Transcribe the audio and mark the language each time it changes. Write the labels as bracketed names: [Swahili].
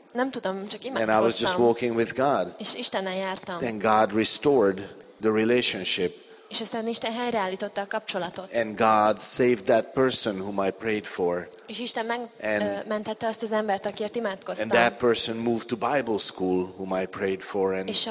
[Hungarian] Nem tudom, csak imádkoztam. [English] And I was just walking with God. [Hungarian] És Istennel jártam. [English] Then God restored the relationship. [Hungarian] És aztán Isten helyreállította a kapcsolatot. [English] And God saved that person whom I prayed for. [Hungarian] És Isten megmentette azt az embert, akiért imádkoztam. [English] And that person moved to Bible school whom I prayed for.